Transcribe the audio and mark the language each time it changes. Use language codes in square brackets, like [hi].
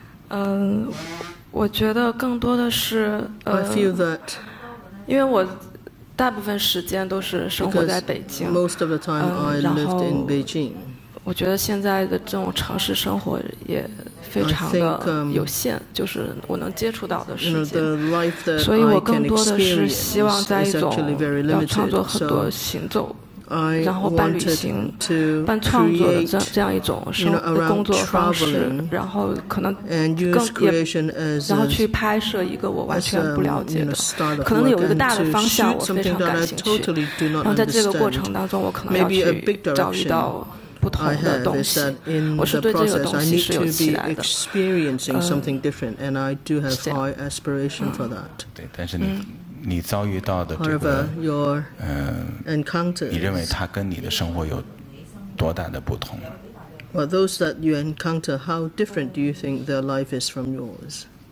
[en] I feel that because most of the time I lived in Beijing. [zh] 我觉得现在的这种城市生活也非常的有限, 就是我能接触到的时间。 [en] You know, the life that I can experience is actually very limited. So I wanted to create, you know, around traveling and use creation as a start of work and to shoot something that I totally do not understand. Maybe a big direction I have is that in the process I need to be experiencing something different, and I do have high aspiration for that. [zh] 对，但是你遭遇到的这个, [en] however, your encounters, [zh] 你认为它跟你的生活有多大的不同? [en] Well, those that you encounter, how different do you think their life is from yours?